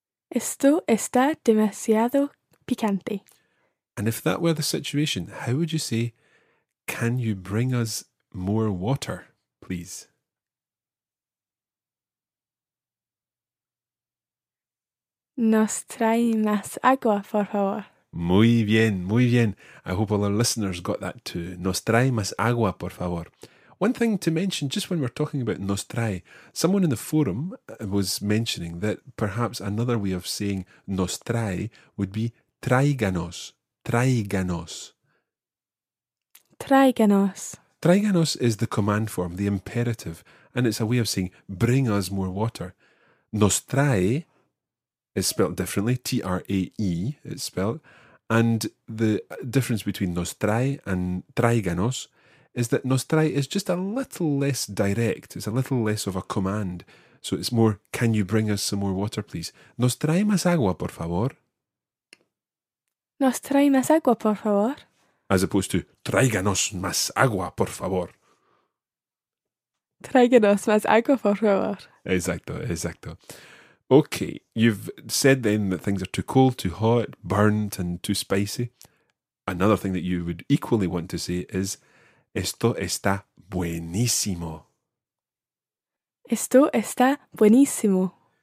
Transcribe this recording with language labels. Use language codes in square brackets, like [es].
[es] Esto está demasiado picante. [en] And if that were the situation, how would you say, can you bring us more water, please? [es] Nos trae más agua, por favor. Muy bien, muy bien. [en] I hope all our listeners got that too. [es] Nos trae más agua, por favor. [en] One thing to mention, just when we're talking about nos trae, someone in the forum was mentioning that perhaps another way of saying nos trae would be traiganos, traiganos. [es] tráiganos. [en] Tráiganos is the command form, the imperative, and it's a way of saying, bring us more water. Nos trae is spelled differently, T-R-A-E, it's spelled. And the difference between nos trae and tráiganos is that nos trae is just a little less direct. It's a little less of a command. So it's more, can you bring us some more water, please? [es] Nos trae más agua, por favor. Nos trae más agua, por favor. [en] As opposed to, [es] tráiganos más agua, por favor. Tráiganos más agua, por favor. Exacto, exacto. [en] Okay, you've said then that things are too cold, too hot, burnt and too spicy. Another thing that you would equally want to say is, [es] esto está buenísimo. Esto está buenísimo.